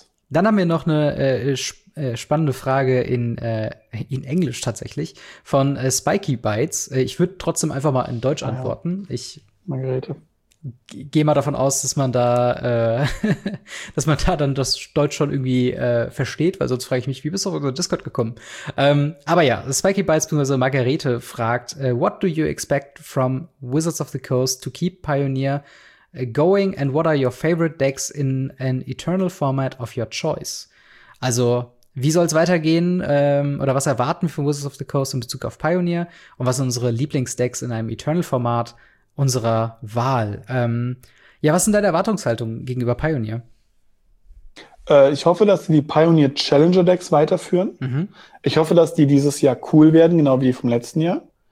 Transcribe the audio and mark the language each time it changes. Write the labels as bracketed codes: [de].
[de] Dann haben wir noch eine spannende Frage in Englisch tatsächlich von Spiky Bytes. Ich würde trotzdem einfach mal in Deutsch antworten. Ich Margarete. Gehe mal davon aus, dass man da dass man da dann das Deutsch schon irgendwie versteht, weil sonst frage ich mich, wie bist du auf unseren Discord gekommen? Aber ja, Spiky Bytes bzw. Margarete fragt, [en] what do you expect from Wizards of the Coast to keep Pioneer going and what are your favorite decks in an eternal format of your choice? [de] Also, wie soll es weitergehen oder was erwarten wir von Wizards of the Coast in Bezug auf Pioneer und was sind unsere Lieblingsdecks in einem eternal Format unserer Wahl. Ja, was sind deine Erwartungshaltungen gegenüber Pioneer? Ich hoffe, dass sie die Pioneer Challenger Decks weiterführen. Mhm. Ich hoffe, dass die dieses Jahr cool werden, genau wie vom letzten Jahr.